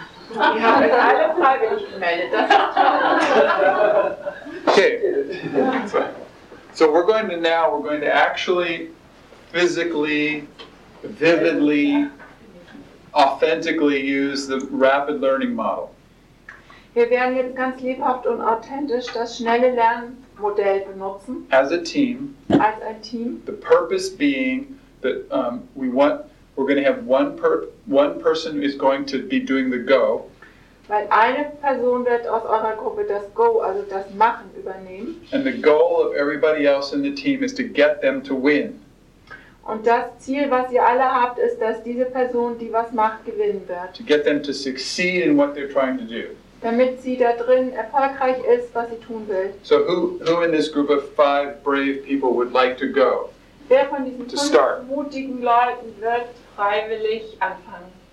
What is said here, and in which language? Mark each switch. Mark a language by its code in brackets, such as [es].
[de] Wir haben alle freiwillig gemeldet. Das ist toll. Okay. [en] So we're going to actually physically, vividly, authentically use the rapid learning model. [de] Wir werden jetzt ganz lebhaft und authentisch das schnelle Lernmodell benutzen. [en] As a team. [de] Als ein Team. [en] The purpose being that we're going to have one person is going to be doing the go. [de] Weil eine Person wird aus eurer Gruppe das Go, also das Machen, übernehmen. [en] And the goal of everybody else in the team is to get them to win. [de] Und das Ziel, was ihr alle habt, ist, dass diese Person, die was macht, gewinnen wird. [en] To get them to succeed in what they're trying to do. [de] Damit sie da drin erfolgreich ist, was sie tun will. [en] So who in this group of five brave people would like to go? [de] Wer von diesen fünf mutigen Leuten wird freiwillig anfangen?